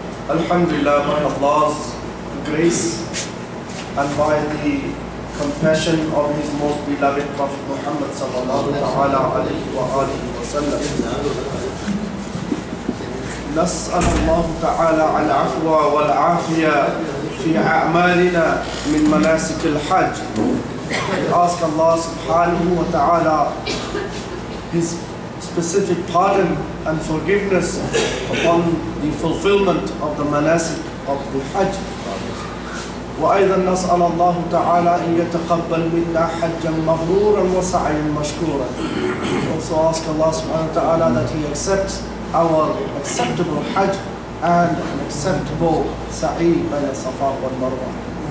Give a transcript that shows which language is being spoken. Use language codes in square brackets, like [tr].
[en] الحمد لله by Allah's grace and by the compassion of his most beloved Prophet Muhammad sallallahu ta'ala alayhi wa alihi wa sallam. [ar] نسأل الله تعالى العفو والعافية في أعمالنا من مناسك الحج. [en] We ask Allah سبحانه وتعالى His specific pardon and forgiveness upon the fulfillment of the manasik of the Hajj. [ar] وأيضا نسأل الله تعالى أن يتقبل منا حجا مبرورا وسعيا مشكورا. [en] Also ask Allah سبحانه وتعالى that He accepts our acceptable Hajj and an acceptable Sa'i by Safa wal Marwa.